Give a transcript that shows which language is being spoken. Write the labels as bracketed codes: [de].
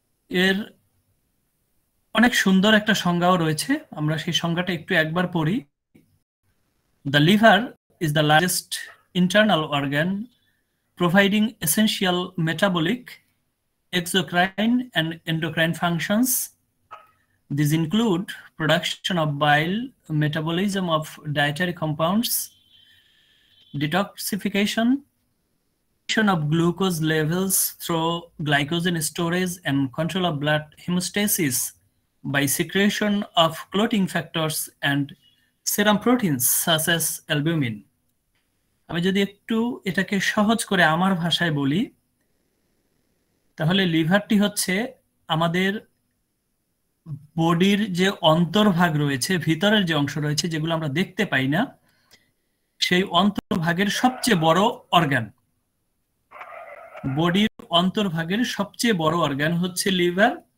[bn] এর অনেক সুন্দর একটা সংজ্ঞাও রয়েছে, আমরা সেই সংজ্ঞাটা একটু একবার পড়ি। [en] The liver is the largest internal organ providing essential metabolic exocrine and endocrine functions. These include production of bile, metabolism of dietary compounds, detoxification, regulation of glucose levels through glycogen storage, and control of blood hemostasis by secretion of clotting factors and serum proteins such as albumin. [bn] আমি যদি একটু এটাকে সহজ করে আমার ভাষায় বলি, তাহলে লিভারটি হচ্ছে আমাদের বডির যে অন্তর্ভাগ রয়েছে, ভিতরের যে অংশ রয়েছে যেগুলো আমরা দেখতে পাই না, সেই অন্তর্ভাগের সবচেয়ে বড় অর্গান, বডির অন্তর্ভাগের সবচেয়ে বড় অর্গান হচ্ছে লিভার।